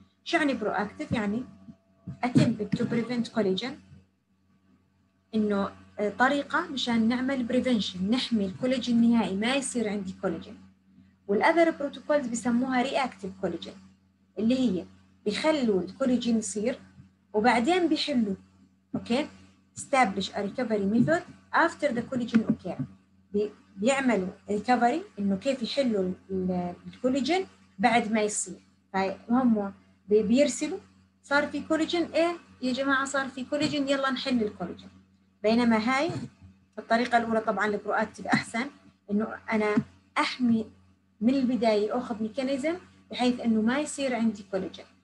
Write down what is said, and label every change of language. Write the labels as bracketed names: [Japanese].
[Arabic] شو يعني [English] Proactive? يعني attempt to prevent collision. [Arabic] إنه طريقة مشان نعمل prevention، نحمي الكوليجن النهائي، ما يصير عندي كوليجن. والأذر بروتوكولز بيسموها reactive collision، اللي هي بيخلوا الكوليجن يصير وبعدين بيحلوا. [English] Okay? establish a recovery method after the collision occurred. [Arabic] بيعملوا recovery، إنه كيف يحلوا الكوليجن بعد ما يصير. فهم بيرسلوا، صار في كوليجن، إيه يا جماعة صار في كوليجن، يلا نحل الكوليجن. بينما هاي الطريقة الأولى طبعاً للبروأكتيف أحسن، إنه أنا أحمي من البداية، أخذ ميكانيزم بحيث إنه ما يصير عندي كوليجن.